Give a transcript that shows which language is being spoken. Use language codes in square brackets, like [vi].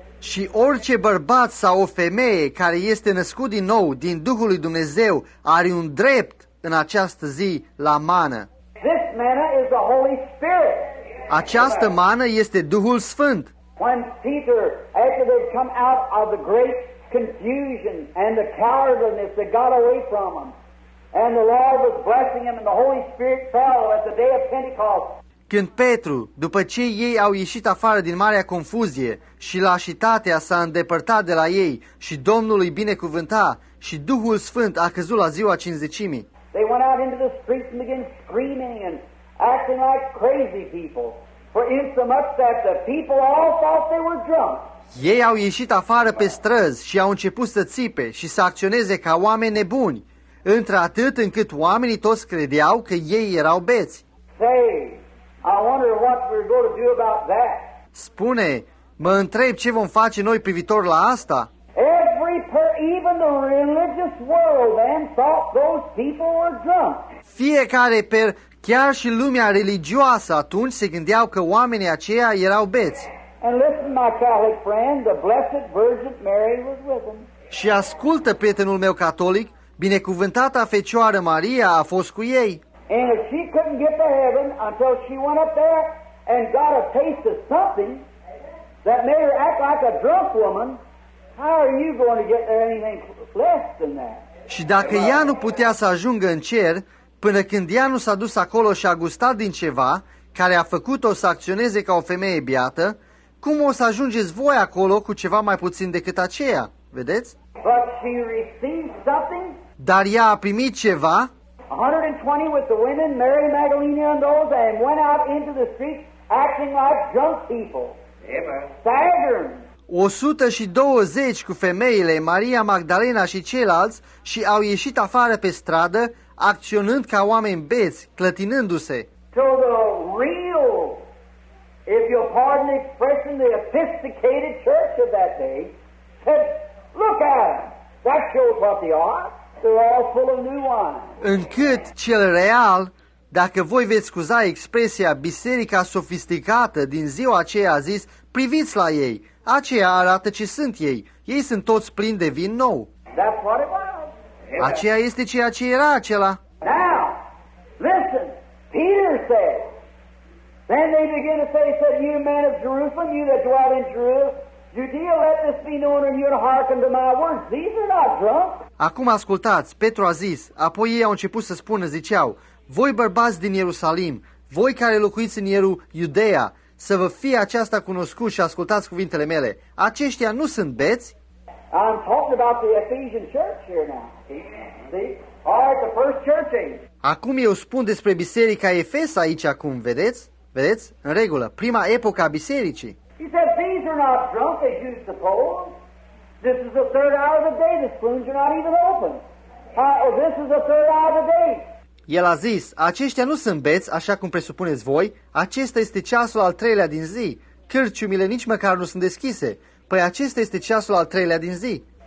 [ro] Și orice bărbat sau o femeie care este născut din nou, din Duhul lui Dumnezeu, are un drept în această zi la mană. [en] This manna is the Holy Spirit. [ro] Această mană este Duhul Sfânt. [en] When Peter, after they've come out of the great confusion and the cowardliness that got away from them, and the Lord was blessing him and the Holy Spirit fell at the day of Pentecost. [ro] Când Petru, după ce ei au ieșit afară din marea confuzie și lașitatea s-a îndepărtat de la ei și Domnul îi binecuvânta și Duhul Sfânt a căzut la ziua cincizecimii. [en] They went out into the streets and began screaming and acting like crazy people, for insomuch that the people all thought they were drunk. [ro] Ei au ieșit afară pe străzi și au început să țipe și să acționeze ca oameni nebuni, într-atât încât oamenii toți credeau că ei erau beți. [en] Say, I wonder what we're going to do about that. [ro] Spune, mă întreb ce vom face noi privitor la asta. [en] Even the religious world then thought those people were drunk. [ro] Fiecare chiar și lumea religioasă atunci se gândeau că oamenii aceia erau beți. [en] And listen, my Catholic friend, the Blessed Virgin Mary was with them. [ro] Și ascultă, prietenul meu catolic, binecuvântata Fecioară Maria a fost cu ei. [en] And if she couldn't get to heaven until she went up there and got a taste of something that made her act like a drunk woman, how are you going to get there anything less than that? [ro] Și dacă ea nu putea să ajungă în cer, până când ea nu s-a dus acolo și a gustat din ceva care a făcut-o să acționeze ca o femeie biată, cum o să ajungeți voi acolo cu ceva mai puțin decât aceea? Vedeți? [en] But she received something? [ro] Dar ea a primit ceva? [en] 120 with the women, Mary Magdalene and those, and went out into the streets acting like drunk people. Amen. Staggering. [ro] 120 cu femeile, Maria Magdalena și ceilalți, și au ieșit afară pe stradă, acționând ca oameni beți, clătinându-se. [en] So the real, if you'll pardon the expression, the sophisticated church of that day said, look at them. That shows what they are. They're all full of new wine. [ro] Încât cel real, dacă voi veți scuza expresia biserica sofisticată din ziua aceea, a zis, priviți la ei, aceia arată ce sunt ei, ei sunt toți plini de vin nou. [en] That's what it was. [ro] Aceea este ceea ce era acela. [en] Now, listen, Peter said, then they begin to say, said, you men of Jerusalem, you that dwell in Judea, let this be known in you to hearken to my words. These are not drunk. [ro] Acum ascultați, Petru a zis, apoi ei au început să spună, ziceau, voi bărbați din Ierusalim, voi care locuiți în Iudeea, să vă fie aceasta cunoscut și ascultați cuvintele mele. Aceștia nu sunt beți? [en] I'm talking about the Ephesian church here now. See? All right, the first church age. [ro] Acum eu spun despre biserica Efes aici acum, vedeți? Vedeți? În regulă, prima epocă a bisericii. [en] He said, these are not drunk as you suppose. This is the third hour of the day. The spoons are not even open. This is the third hour of the day. [ro] El a zis, aceștia nu sunt beți, așa cum presupuneți voi, acesta este ceasul al treilea din zi. Cârciumile nici măcar nu sunt deschise. Păi acesta este ceasul al treilea din zi.